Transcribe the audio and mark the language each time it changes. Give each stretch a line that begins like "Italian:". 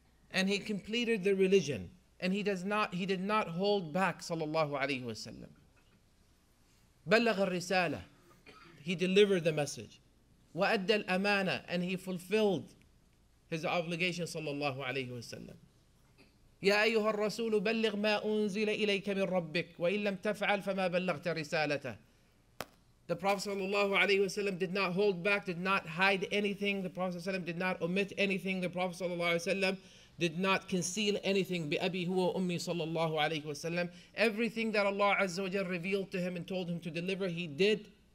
English: And he completed the religion. And he did not hold back sallallahu alayhi wa sallam.
Arabic: بلغ الرسالة.
English: He delivered the message.
Arabic: وأدى الأمانة.
English: And he fulfilled his obligation sallallahu alayhi wa sallam.
Arabic: يا أيها الرسول بلغ ما أنزل إليك من ربك وإن لم تفعل فما بلغت رسالته.
English: The Prophet sallallahu alayhi wa sallam did not hold back, did not hide anything. The Prophet sallallahu alayhi wa sallam did not omit anything. The Prophet sallallahu alayhi wa sallam did not conceal anything.
Arabic: بأبي هو أمي
English: sallallahu alayhi wa sallam. Everything that Allah Azza wa Jal revealed to him and told him to deliver, he did.